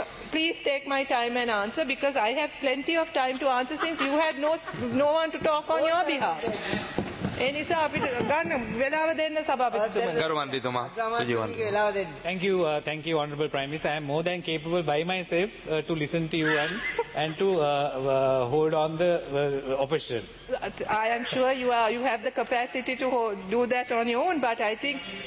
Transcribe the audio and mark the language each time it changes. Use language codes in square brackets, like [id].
[en] Please take my time and answer because I have plenty of time to answer since you had no one to talk on your behalf. [si] එනිසා අපිට ගන්න වෙලාව දෙන්න සභාපතිතුමනි. ගරු මන්ත්‍රීතුමා සුජීවන්ත. [en] Thank you honorable prime minister. I am more than capable by myself to listen to you and to hold on the opposition. I am sure you have the capacity to do that on your own, but I think